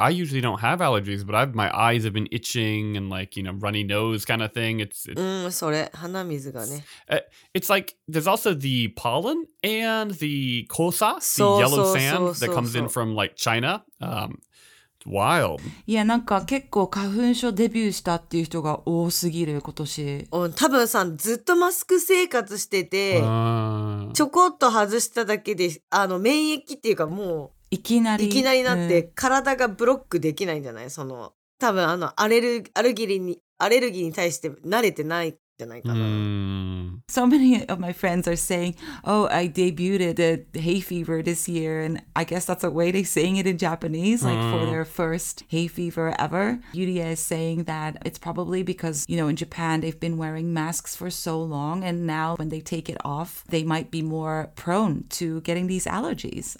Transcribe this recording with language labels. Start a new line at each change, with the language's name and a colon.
English: I usually don't have allergies, but my eyes have been itching and like, you know, runny nose kind of thing.
Japanese: それ、鼻水がね。
English: It's like, there's also the pollen and the kosa, the yellow sand that comes in from like China. It's wild.
Japanese: Yeah, なんか結構花粉症デビューしたっていう人が多すぎる今年。多分さ、ずっとマスク生活してて、ちょこっと外しただけで、あの免疫っていうかもういきなりなって、体がブロックできないんじゃない？その多分あのアレルギーに対して慣れてないじゃないかな。
English: So many of my friends are saying, oh, I debuted at hay fever this year, and I guess that's a way they're saying it in Japanese, like for their first hay fever ever. Yuria is saying that it's probably because, you know, in Japan, they've been wearing masks for so long, and now when they take it off, they might be more prone to getting these allergies.